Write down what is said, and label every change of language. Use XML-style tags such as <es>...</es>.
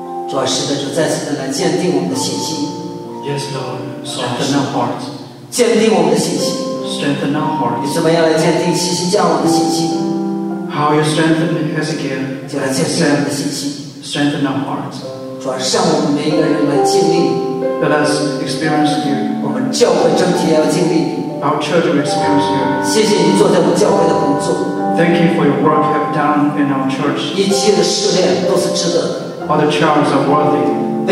<zh>主啊，使得主再次的来坚定我们的信心。</zh> <en>Yes, Lord. Strengthen our heart.</en> <zh>坚定我们的信心。</zh> <en>Strengthen our heart.</en> <zh>你怎么样来坚定信心，降我们的信心？</zh> <en>How you strengthen Ezekiel?</en> <zh>就来坚定我们的信心。</zh> <en>Strengthen our heart.</en> <zh>主啊，让我们每一个人来经历。</zh> <en>Let us experience you.</en> <zh>我们教会整体要经历。</zh> <en>Our children experience you.</en> <zh>谢谢你做在我们教会的工作。</zh> <en>Thank you for your work you have done in our church.</en> <zh>一切的试炼都是值得。</zh> <en>All the trials are worthy.</en>